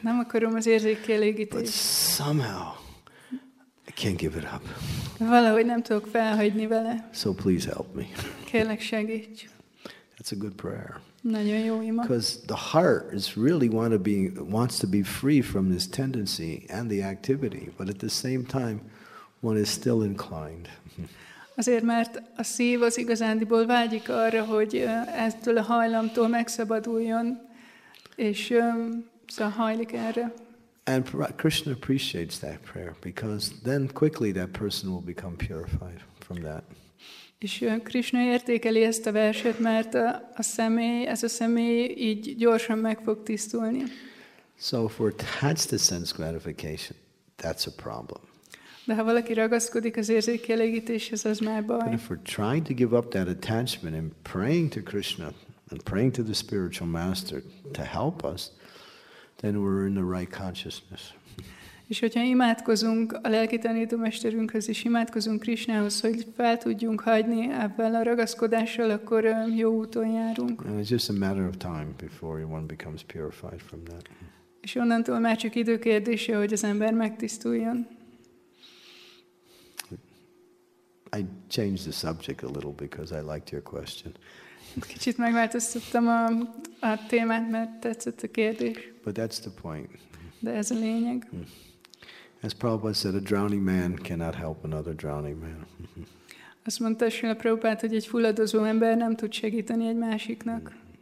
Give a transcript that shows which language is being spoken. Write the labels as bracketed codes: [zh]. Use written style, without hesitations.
[hu] Nem akarom az érzékkielégítést. [en] But somehow I can't give it up. [hu] Valahogy nem tudok felhagyni vele. [en] So please help me. [hu] Kérlek segíts. [en] That's a good prayer. [hu] Nagyon jó ima. [en] Because the heart is really wants to be free from this tendency and the activity, but at the same time one is still inclined. [hu] Azért, mert a szív az igazándiból vágyik arra, hogy ettől a hajlamtól megszabaduljon, és szóval hajlik erre. [en] And Krishna appreciates that prayer, because then quickly that person will become purified from that. [hu] És Krishna értékeli ezt a verset, mert ez a személy így gyorsan meg fog tisztulni. [en] So if we're attached to sense gratification, that's a problem. [hu] De ha valaki ragaszkodik az érzékkielégítéshez, az már baj. [en] But if we're trying to give up that attachment and praying to Krishna and praying to the spiritual master to help us, then we're in the right consciousness. [hu] És hogyha imádkozunk a lelki tanítómesterünkhöz, és imádkozunk Krishnához, hogy fel tudjunk hagyni ebben a ragaszkodással, akkor jó úton járunk. [en] And it's just a matter of time before one becomes purified from that. [hu] És onnantól már csak időkérdése, hogy az ember megtisztuljon. [en] I changed the subject a little because I liked your question. [hu] Kicsit megváltoztattam a témát, mert tetszett a kérdés. [en] But that's the point. [hu] De ez a lényeg. [en] As Prabhupada said, a drowning man cannot help another drowning man. [hu] Azt mondta Srila Prabhupada, hogy egy fulladozó ember nem tud segíteni egy másiknak.